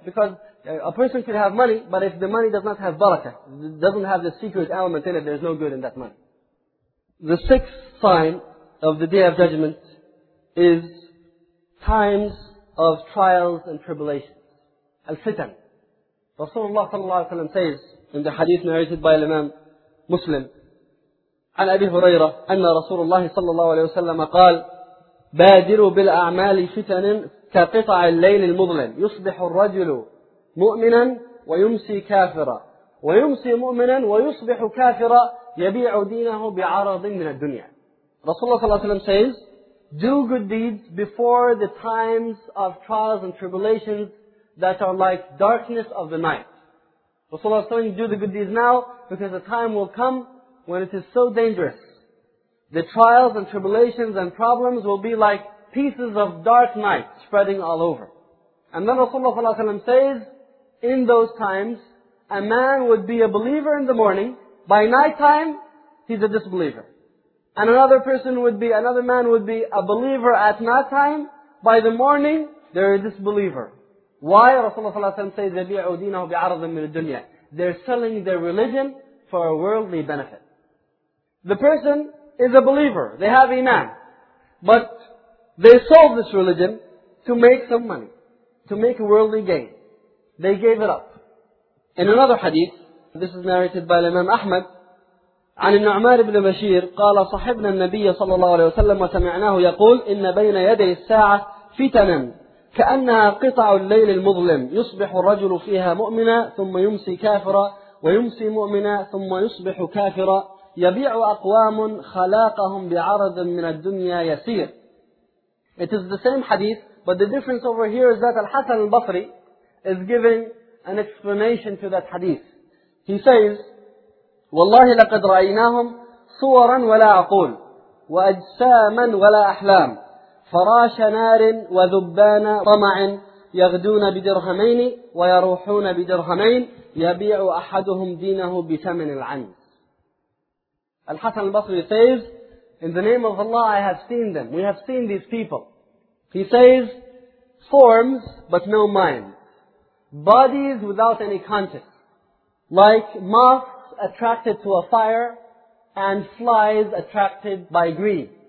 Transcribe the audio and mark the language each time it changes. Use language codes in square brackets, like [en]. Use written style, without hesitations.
[en] Because a person could have money, but if the money does not have barakah, doesn't have the secret element in it, there's no good in that money. The sixth sign of the Day of Judgment is times of trials and tribulations. Al-fitan. [ar] Rasulullah sallallahu alayhi wa sallam [en] says, in the hadith narrated by Imam Muslim, [ar] عن أبي هريرة أن رسول الله صلى الله عليه وسلم قال بادروا بالأعمال فتن كقطع الليل المظلم يصبح الرجل مؤمنا ويمسي كافرا ويمسي مؤمنا ويصبح كافرا يبيع دينه بعرض من الدنيا. رسول الله صلى الله عليه وسلم [en] says, do good deeds before the times of trials and tribulations that are like darkness of the night. Rasulullah is telling you, do the good deeds now, because the time will come when it is so dangerous. The trials and tribulations and problems will be like pieces of dark night spreading all over. And then Rasulullah ﷺ says, in those times, a man would be a believer in the morning. By night time, he's a disbeliever. And another man would be a believer at night time. By the morning, they're a disbeliever. Why? Rasulullah ﷺ says, [ar] يَبِيعُ دِينَهُ بِعَرَضٍ مِنَ الدُّنْيَا. [en] They're selling their religion for a worldly benefit. The person is a believer. They have iman. But they sold this religion to make some money. To make a worldly gain. They gave it up. In another hadith, this is narrated by Imam Ahmad, [ar] عن النعمان بن بشير قال صحبنا النبي صلى الله عليه وسلم وسمعناه يقول إن بين يدي الساعة فتنا كأنها قطع الليل المظلم يصبح الرجل فيها مؤمنا ثم يمسي كافرا ويمسي مؤمنا ثم يصبح كافرا يبيع أقوام خلاقهم بعرض من الدنيا يسير. [en] It is the same hadith, but the difference over here is that Al-Hasan al-Basri is giving an explanation to that hadith. He says, [ar] والله لقد رأيناهم صورا ولا عقول وأجساما ولا أحلام فراش نار وذبان طمع يغدون بدرهمين ويروحون بدرهمين يبيع أحدهم دينه بثمن العنز. [en] Al-Hasan al-Basri says, in the name of Allah, I have seen them. We have seen these people. He says, forms, but no mind. Bodies without any conscience. Like moths attracted to a fire, and flies attracted by greed.